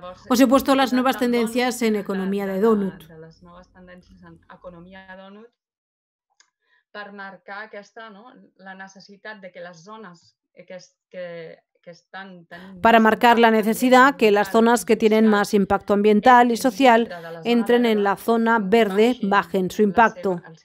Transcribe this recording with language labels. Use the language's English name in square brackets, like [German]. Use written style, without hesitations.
[Spanish] Os he puesto las nuevas tendencias en economía de donut. [Catalan] Les noves tendències en economia de donut per marcar aquesta, no?, la necessitat que les zones que... [Spanish] Para marcar la necesidad que las zonas que tienen más impacto ambiental y social entren en la zona verde, bajen su impacto.